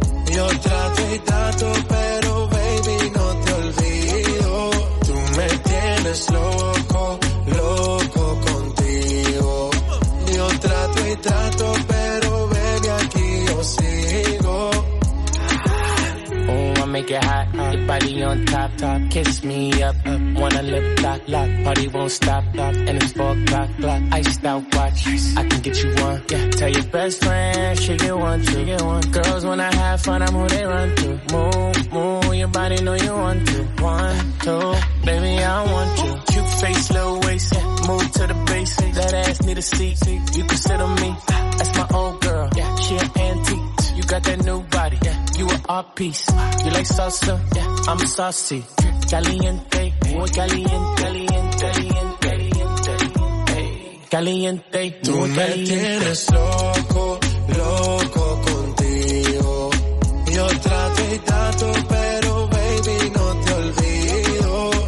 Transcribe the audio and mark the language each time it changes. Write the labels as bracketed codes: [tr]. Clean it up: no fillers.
[es] Yo trato y trato, pero baby, no te olvido. Tú me tienes loco, loco contigo. Yo trato y trato, pero baby, aquí yo sigo. [en] Oh, I make it hot, your body on top, top. Kiss me up, up. Wanna lip lock, lock. Party won't stop, stop. And it's 4 o'clock, clock. Iced out watch, I can get you one, yeah. Tell your best friend, she get one, she get one. Girls, when I have fun, I'm who they run to. Move, move, your body know you want to. One, two, baby, I want you. Cute face, little waist, yeah. Move to the basics. That ass need a seat, you can sit on me. That's my old girl, yeah. She an antique. You got that new body, yeah. You an art piece. You like salsa, yeah. I'm saucy. [es] Caliente, muy caliente, caliente, caliente. Caliente. Tú me tienes loco, loco contigo. Yo trato y trato, pero baby, no te olvido.